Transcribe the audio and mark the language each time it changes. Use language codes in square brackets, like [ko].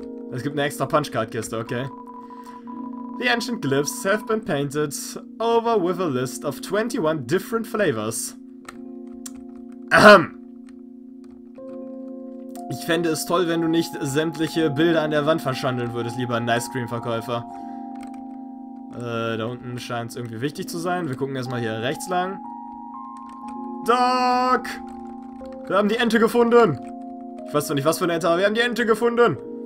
[de] Es gibt eine extra punch card kiste, okay. [en] The ancient glyphs have been painted over with a list of 21 different flavors. Ahem. [de] Ich fände es toll, wenn du nicht sämtliche Bilder an der Wand verschandeln würdest, lieber Nice-Cream-Verkäufer. Da unten scheint es irgendwie wichtig zu sein. Wir gucken erstmal hier rechts lang. Doc! Wir haben die Ente gefunden! Ich weiß zwar nicht, was für eine Ente, aber wir haben die Ente gefunden!